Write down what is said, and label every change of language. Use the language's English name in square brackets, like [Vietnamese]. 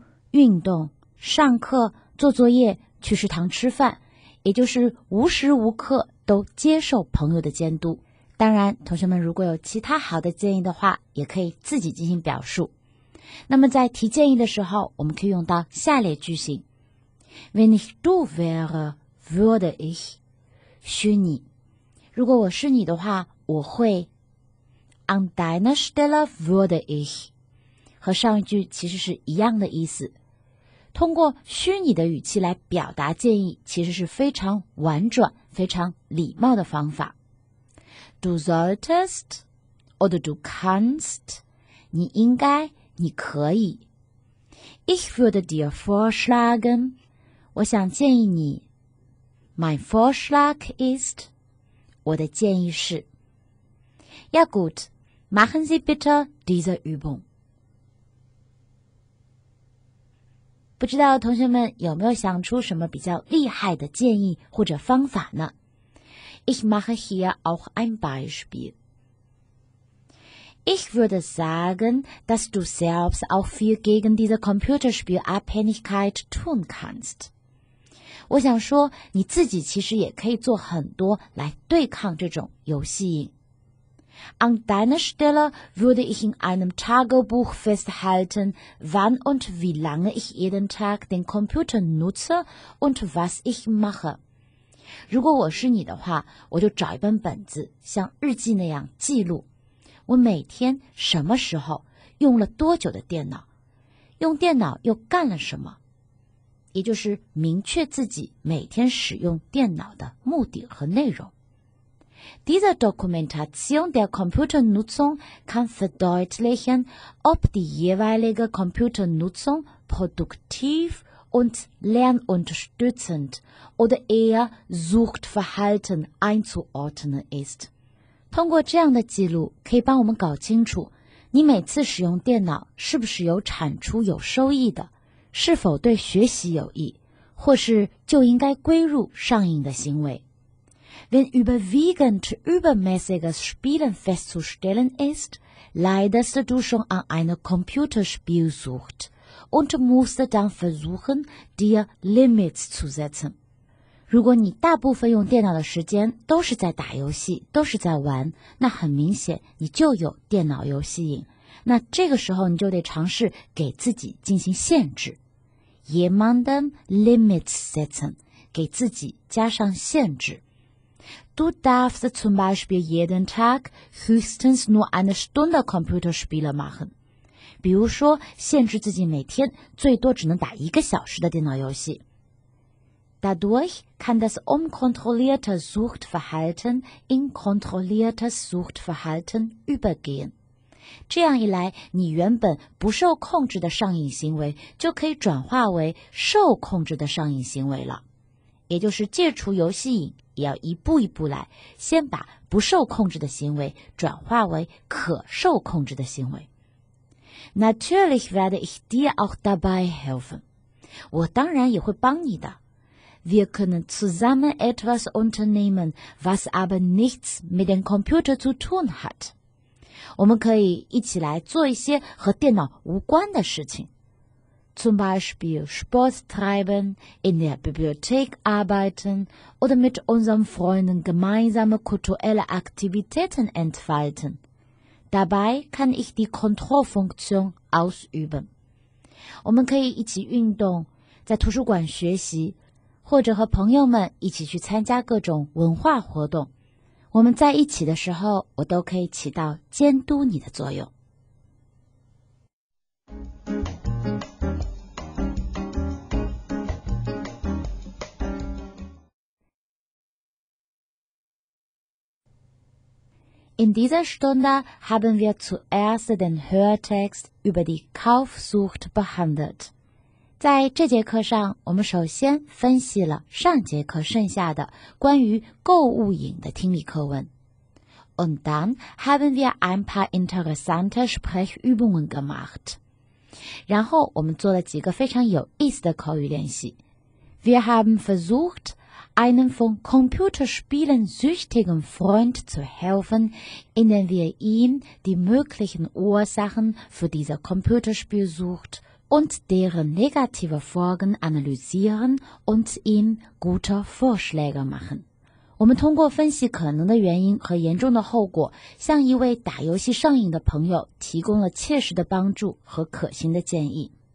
[Chinese] 运动、上课、做作业、去食堂吃饭，也就是无时无刻都接受朋友的监督。当然，同学们如果有其他好的建议的话，也可以自己进行表述。那么在提建议的时候，我们可以用到下列句型。 [German] Wenn ich du wäre, würde ich. [Chinese] 虚拟。如果我是你的话，我会。 [German] An deiner Stelle würde ich. [Chinese] 和上一句其实是一样的意思。通过虚拟的语气来表达建议，其实是非常婉转、非常礼貌的方法。 [German] Du solltest oder du kannst， [Chinese] 你应该，你可以。 [German] Ich würde dir vorschlagen， [Chinese] 我想建议你。 [German] Mein Vorschlag ist， [Chinese] 我的建议是。 [German] Ja gut， machen Sie bitte diese Übung。 [Chinese] 不知道同学们有没有想出什么比较厉害的建议或者方法呢？ [German] Ich mache hier auch ein Beispiel. Ich würde sagen, dass du selbst auch viel gegen diese Computerspielabhängigkeit tun kannst. [Chinese] 我想说，你自己其实也可以做很多来对抗这种游戏瘾。 [German] An deiner Stelle würde ich in einem Tagebuch festhalten, wann und wie lange ich jeden Tag den Computer nutze und was ich mache. [Chinese] 如果我是你的话，我就找一本本子，像日记那样记录，我每天什么时候用了多久的电脑，用电脑又干了什么，也就是明确自己每天使用电脑的目的和内容。 [German] Diese Dokumentation der Computernutzung kann verdeutlichen, ob die jeweilige Computernutzung produktiv und lernunterstützend oder eher Suchtverhalten einzuordnen ist. [Chinese] 通过这样的记录，可以帮我们搞清楚，你每次使用电脑是不是有产出、有收益的，是否对学习有益，或是就应该归入上瘾的行为。 [German] Wenn überwiegend übermäßiges Spielen festzustellen ist, leidest du schon an einer Computerspielsucht und musst dann versuchen, dir Limits zu setzen. [Chinese] 如果你大部分用电脑的时间都是在打游戏，都是在玩，那很明显你就有电脑游戏瘾。那这个时候你就得尝试给自己进行限制。 [German] Jemandem Limits setzen, [Chinese] 给自己加上限制。 [German] Du darfst zum Beispiel jeden Tag höchstens nur eine Stunde Computerspiele machen. [Chinese] 比如说，限制自己每天最多只能打一个小时的电脑游戏。 [German] Dadurch kann das unkontrollierte Suchtverhalten in kontrolliertes Suchtverhalten übergehen. [Chinese] 这样一来，你原本不受控制的上瘾行为就可以转化为受控制的上瘾行为了。也就是戒除游戏瘾也要一步一步来，先把不受控制的行为转化为可受控制的行为。 [German] Natürlich werde ich dir auch dabei helfen. [Chinese] 我当然也会帮你的。 [German] Wir können zusammen etwas unternehmen, was aber nichts mit dem Computer zu tun hat. [Chinese] 我们可以一起来做一些和电脑无关的事情。 [German] zum Beispiel Sport treiben, in der Bibliothek arbeiten oder mit unseren Freunden gemeinsame kulturelle Aktivitäten entfalten. Dabei kann ich die Kontrollfunktion ausüben. [Chinese] 我们可以一起运动，在图书馆学习，或者和朋友们一起去参加各种文化活动。我们在一起的时候，我都可以起到监督你的作用。 [German] In dieser Stunde haben wir zuerst den Hörtext über die Kaufsucht behandelt. [Chinese] 在这节课上，我们首先分析了上节课剩下的关于购物瘾的听力课文。 [German] Und dann haben wir ein paar interessante Sprechübungen gemacht. [Chinese] 然后我们做了几个非常有意思的口语练习。 [German] Wir haben versucht,einen von Computerspielen süchtigen Freund zu helfen, indem wir ihm die möglichen Ursachen für diese Computerspielsucht und deren negative Folgen analysieren und ihm gute Vorschläge machen. [Chinese] 我们通过分析可能的原因和严重的后果，向一位打游戏上瘾的朋友提供了切实的帮助和可行的建议。